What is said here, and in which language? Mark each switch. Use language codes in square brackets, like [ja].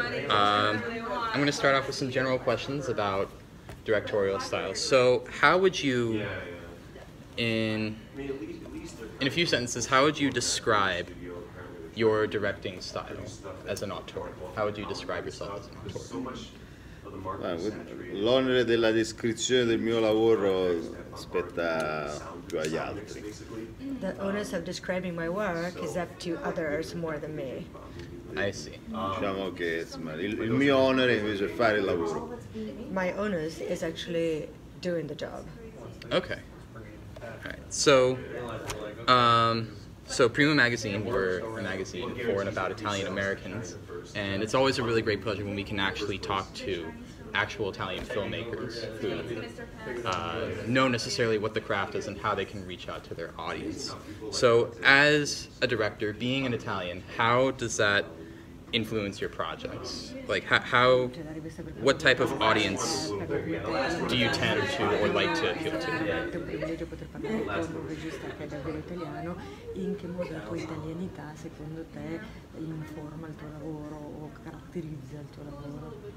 [en] I'm going to start off with some general questions about directorial style. So how would you, in a few sentences, how would you describe your directing style as an auteur? How would you describe yourself as an auteur? [it] L'onere della descrizione del mio lavoro spetta più agli altri. [en] The onus of describing my work is up to others more than me. I see. [it] Diciamo che insomma, il mio onere invece è fare il lavoro. [en] My onus is actually doing the job. Okay. Alright. So PRIMO Magazine, we're a magazine for and about Italian Americans, and it's always a really great pleasure when we can actually talk to actual Italian filmmakers who know necessarily what the craft is and how they can reach out to their audience. So as a director, being an Italian, how does that influence your projects? Like how, what type of audience do you tend to or like to appeal to? [it] In che modo la tua italianità, secondo te, informa il tuo lavoro o caratterizza il tuo lavoro?